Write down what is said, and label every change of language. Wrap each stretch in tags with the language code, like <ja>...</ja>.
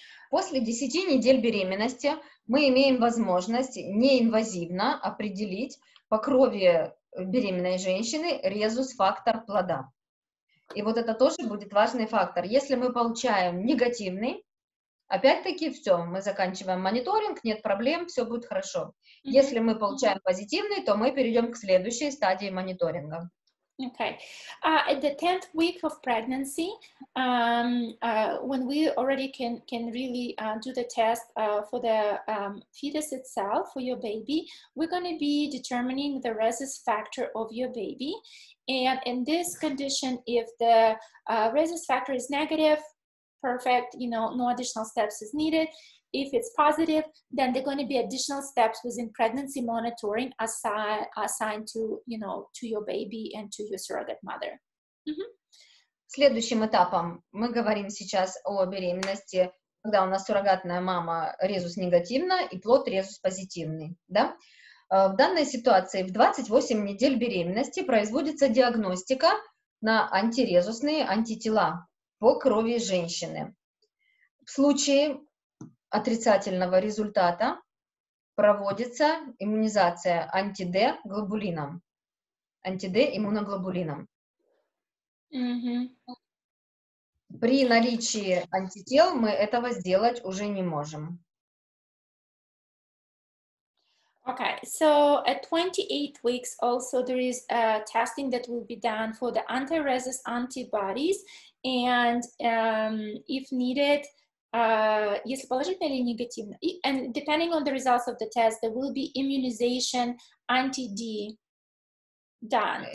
<ru>После 10 недель беременности мы имеем возможность неинвазивно определить по крови беременной женщины резус-фактор плода. И вот это тоже будет важный фактор. Если мы получаем негативный, опять-таки, все, мы заканчиваем мониторинг, нет проблем, все будет хорошо. Mm-hmm. Если мы получаем позитивный, то мы перейдем к следующей стадии мониторинга.</ru> <en>Okay. At the 10th week of pregnancy, when we already can really do the test for the fetus itself, for your baby, we're going to be determining the rhesus factor of your baby. And in this condition, if the rhesus factor is negative, perfect, you know, no additional steps is needed. If it's positive, then there are going to be additional steps within pregnancy monitoring assigned to, you know, to your baby and to your surrogate mother. Mm-hmm.</en> <ru>Следующим этапом мы говорим сейчас о беременности, когда у нас суррогатная мама резус негативна и плод резус позитивный, да? В данной ситуации в 28 недель беременности производится диагностика на антирезусные антитела по крови женщины. В случае отрицательного результата проводится иммунизация антиD-глобулином. АнтиD-иммуноглобулином. Mm-hmm. При наличии антител мы этого сделать уже не можем.</ru> <en>Okay, so at 28 weeks also there is a testing that will be done for the anti-rhesus antibodies. And if needed,</en> <ru>если положительно или негативно,</ru> <en>and depending on the results of the test, there will be immunization anti-D done.</en>